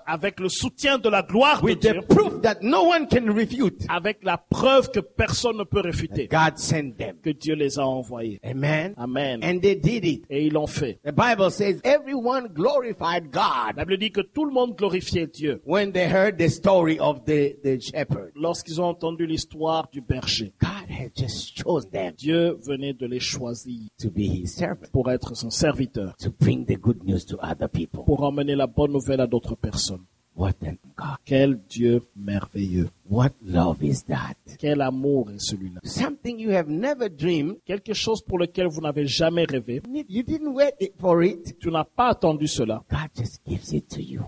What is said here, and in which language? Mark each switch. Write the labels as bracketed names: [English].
[French] avec le soutien de la gloire [English] with [French] de Dieu, [English] the proof that no one can refute, [French] avec la preuve que personne ne peut réfuter, [English] God sent them, [French] que Dieu les a envoyés. [English] Amen. [French] Amen. [English] And they did it. [French] Et ils l'ont fait. [English] The Bible says everyone glorified God. [French] La Bible dit que tout le monde glorifiait Dieu. [English] When they heard the story of the shepherd, [French] lorsqu'ils ont entendu l'histoire du berger. [English] God had just chose them. [French] Dieu venait de les choisir [English] to be his servant, [French] pour être son serviteur, [English] to bring the good news to other people, [French] pour emmener la bonne nouvelle à d'autres personnes. [English] What a God. [French] Quel Dieu merveilleux. [English] What love is that? [French] Quel amour est celui-là? [English] Something you have never dreamed. [French] Quelque chose pour lequel vous n'avez jamais rêvé. [English] You didn't wait for it. [French] Tu n'as pas attendu cela. [English] God just gives it to you.